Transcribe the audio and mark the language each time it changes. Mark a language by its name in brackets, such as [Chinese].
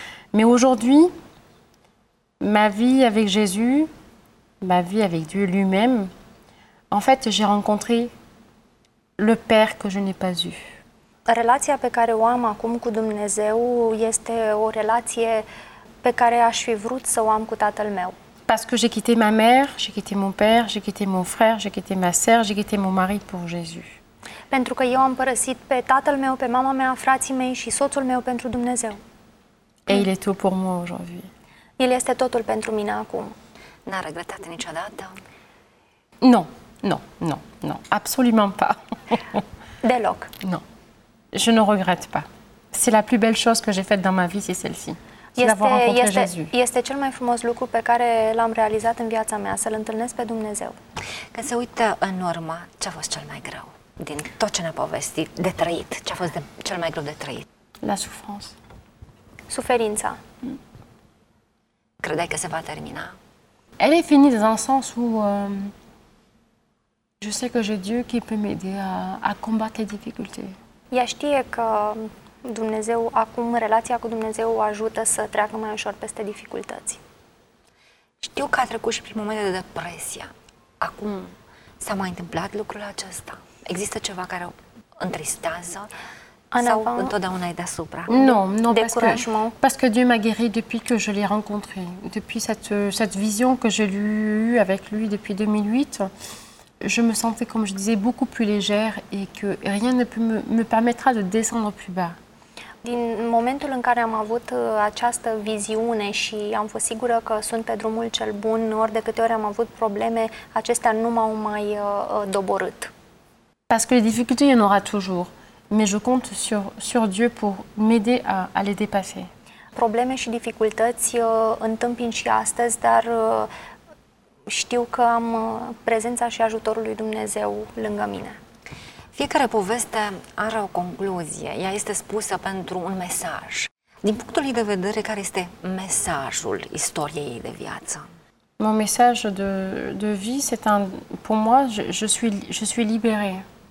[French] Mais aujourd'hui, ma vie avec Jésus... Ma vie avec Dieu lui-même, en fait, j'ai rencontré le Père que je n'ai pas eu. [Romanian] Relația pe care o am acum cu Dumnezeu este o relație pe care aș fi vrut să o am cu tatăl meu. [French] Parce que j'ai quitté ma mère, j'ai quitté mon père, j'ai quitté mon frère, j'ai quitté ma sœur, j'ai quitté mon mari pour Jésus. [Romanian] Pentru că eu am părăsit pe tatăl meu, pe mama mea, frații mei și soțul meu pentru Dumnezeu. [French] Et il est tout pour moi aujourd'hui. [Romanian] El este totul pentru mine acum. N-a regretat niciodată? [French] Non, non, non, non, absolument pas. [Romanian] Deloc. [French] Non, je ne regrette pas. C'est la plus belle chose que j'ai faite dans ma vie, c'est celle-ci. C'est d'avoir rencontré Jésus. [Romanian] Este cel mai frumos lucru pe care l-am realizat în viața mea, să-L întâlnesc pe Dumnezeu. Când se uită în urmă, ce a fost cel mai greu din tot ce ne-a povestit, de trăit? Ce a fost cel mai greu de trăit? [French] La souffrance. [Romanian] Suferința. Credeai că se va termina? [French] Elle est finie dans un sens où je sais que j'ai Dieu qui peut m'aider à combattre les difficultés. [Romanian] Ea știe că Dumnezeu, acum relația cu Dumnezeu o ajută să treacă mai ușor peste dificultăți. Știu că a trecut și prin momente de depresie. Acum s-a mai întâmplat lucrul acesta? Există ceva care o întristează? Sau întotdeauna e deasupra? [French] Non, non, parce que Dieu m'a guéri depuis que je l'ai rencontré. Depuis cette vision que j'ai eue avec lui depuis 2008, je me sentais, comme je disais, beaucoup plus légère et que rien ne peut me permettra de descendre plus bas. [Romanian] Din momentul în care am avut această viziune și am fost sigură că sunt pe drumul cel bun, ori de câte ori am avut probleme, acestea nu m-au mai doborât. [French] Parce que les difficultés, il y en aura toujours. Mais je compte sur Dieu pour m'aider à les dépasser. [Romanian] Probleme și dificultăți întâmpin și astăzi, dar știu că am prezența și ajutorul lui Dumnezeu lângă mine. Fiecare poveste are o concluzie. Ea este spusă pentru un mesaj. Din punctul ei de vedere, care este mesajul istoriei ei de viață? [French] Mon message de vie, c'est un pour moi, je suis libérée.